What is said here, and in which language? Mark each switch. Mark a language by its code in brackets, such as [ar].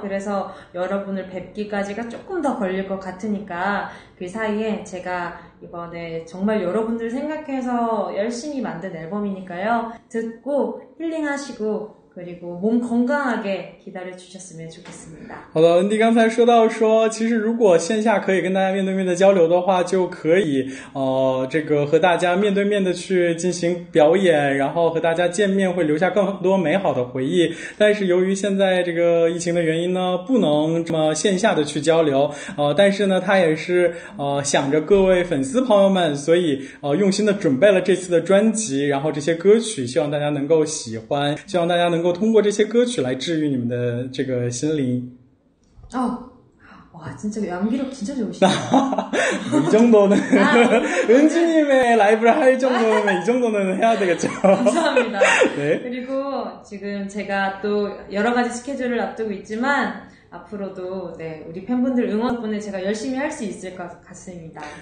[ko] 그래서 여러분을 뵙기까지가 조금 더 걸릴 것 같으니까 그 사이에 제가 이번에 정말 여러분들 생각해서 열심히 만든 앨범이니까요. 듣고 힐링하시고 그리고 몸 건강하게 기다려 주셨으면 좋겠습니다. [zh] 好的, 은디 刚才说到说其实如果线下可以跟大家面对面的交流的话就可以这个和大家面对面的去进行表演然后和大家见面会留下更多美好的回忆但是由于现在这个疫情的原因呢不能这么线下的去交流但是呢他也是想着各位粉丝朋友们所以用心的准备了这次的专辑然后这些歌曲希望大家能够喜欢希望大家 能够通过这些歌曲来治愈你们的这个心灵。哦，哇， [ko] 진짜 연기력 진짜 좋으시다. 이 정도는 은지님의 라이브를 할 정도면 이 정도는 해야 되겠죠. 감사합니다. 네. 그리고 지금 제가 또 여러 가지 스케줄을 앞두고 있지만 앞으로도 네, 우리 팬분들 응원 덕분에 제가 열심히 할 수 있을 것 같습니다.